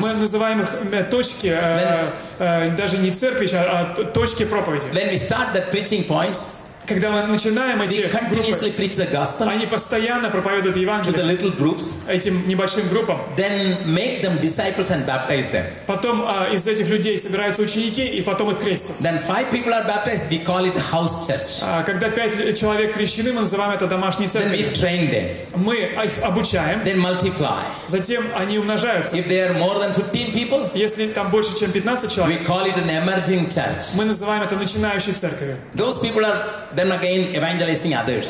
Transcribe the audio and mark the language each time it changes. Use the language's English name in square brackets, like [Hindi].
[Russian] Мы называем их точки, даже не церкви, а точки проповеди. [English] When we start the preaching points, [Russian] когда мы начинаем эти [English] continuously [Russian] группы, [English] preach the gospel, [Russian] они постоянно проповедуют Евангелие [English] to the little groups, [Russian] этим небольшим группам. [English] Then make them disciples and baptize them. [Russian] Потом из этих людей собираются ученики и потом их крестят. [English] Then 5 people are baptized, we call it house church. [Russian] Когда 5 человек крещены, мы называем это домашней церковью. [English] Then we train them. [Russian] Мы их обучаем. [English] Then multiply. [Russian] Затем они умножаются. [English] If there are more than 15 people, [Russian] если там больше, чем 15 человек, [English] we call it an emerging church. [Russian] Мы называем это начинающей церковью. [English] Those people are then again evangelizing others.